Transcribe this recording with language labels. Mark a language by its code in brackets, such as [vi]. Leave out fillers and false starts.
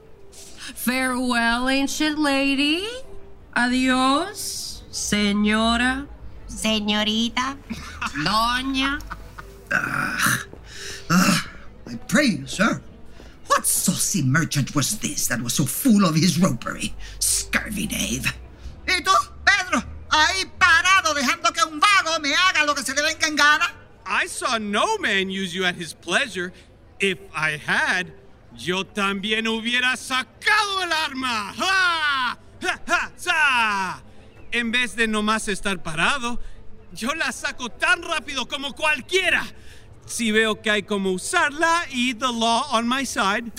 [en] Farewell, ancient lady. [es] Adios, señora. Señorita. Doña. [en] I pray you, sir. What saucy merchant was this that was so full of his ropery? Scurvy knave. [es] ¿Y tú, Pedro? Ahí parado dejando que un vago me haga lo que se le venga en gana. [en] I saw no man use you at his pleasure. If I had, [es] yo también hubiera sacado el arma. Ha! Ha, ha, sa! En vez de nomás estar parado, yo la saco tan rápido como cualquiera. Si veo que hay como usarla y [en] the law on my side.